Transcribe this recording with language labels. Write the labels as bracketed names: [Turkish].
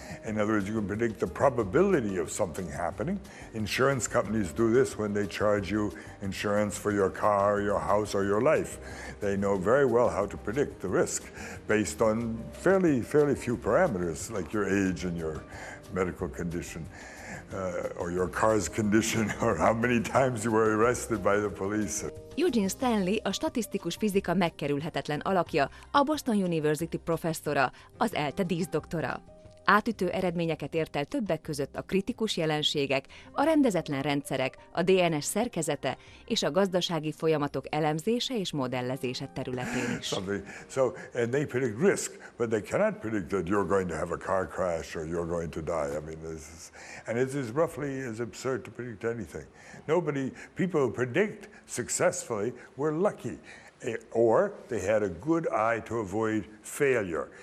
[English] In other words, you can predict the probability of something happening. Insurance companies do this when they charge you insurance for your car, your house, or your life. They know very well how to predict the risk based on fairly few parameters, like your age and your medical condition, or your car's condition, or how many times you were arrested by the police. [Hungarian] Eugene Stanley, a statisztikus fizika megkerülhetetlen alakja, a Boston University professzora, az ELTE díszdoktora. Átütő eredményeket ért el többek között a kritikus jelenségek, a rendezetlen rendszerek, a DNS szerkezete és a gazdasági folyamatok elemzése és modellezése területén is. [English] So and they predict risk, but they cannot predict that you're going to have a car crash or you're going to die. I mean, this is, and it is roughly as absurd to predict anything. Nobody, people who predict successfully were lucky. Or they had a good eye to avoid failure.